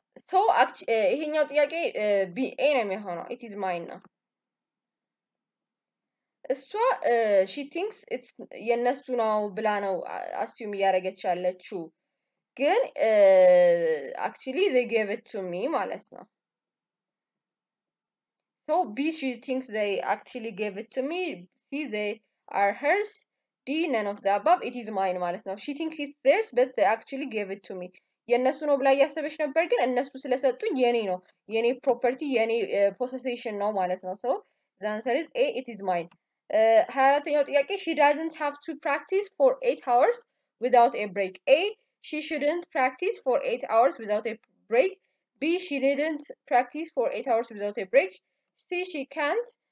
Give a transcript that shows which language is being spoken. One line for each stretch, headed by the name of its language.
Amharic: So ይሄኛው ጥያቄ B A ነው የሚሆነው
English: it is mine
Amharic: ነው. እሷ
English: she thinks it's
Amharic: የነሱ ነው ብላ ነው assume ያረገች ያለችው ግን
English: actually they gave it to me
Amharic: ማለት ነው.
English: So B she thinks they actually gave it to me. C they are hers. D none of the above it is mine
Amharic: ማለት ነው.
English: She thinks it's theirs but they actually gave it to me.
Amharic: የነሱ ነው ብላ ያሰበች ነበር ግን እነሱ ስለሰጡኝ የኔ ነው የኔ property የኔ possession ነው ማለት ነው.
English: So the answer is A it is mine.
Amharic: 24ኛው ጥያቄ
English: she doesn't have to practice for 8 hours without a break. A she shouldn't practice for 8 hours without a break. B she didn't practice for 8 hours without a break. C she can't.